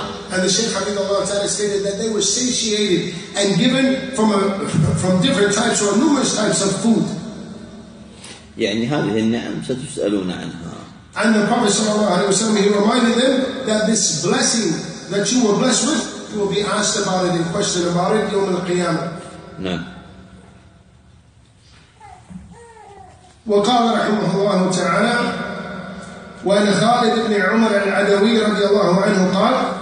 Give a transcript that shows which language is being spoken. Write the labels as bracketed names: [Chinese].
[English] And the Shaykh Hafidhullah ta'ala stated that they were satiated and given from different types or numerous types of food. [Arabic] يعني هذه النعم ستسألون عنها. [English] And the Prophet sallallahu alaihi wasallam, he reminded them that this blessing that you were blessed with, you will be asked about it and questioned about it [Arabic] يوم القيامة. وقال رحمه الله تعالى وأن خالد بن عمر العدوي رضي الله عنه قال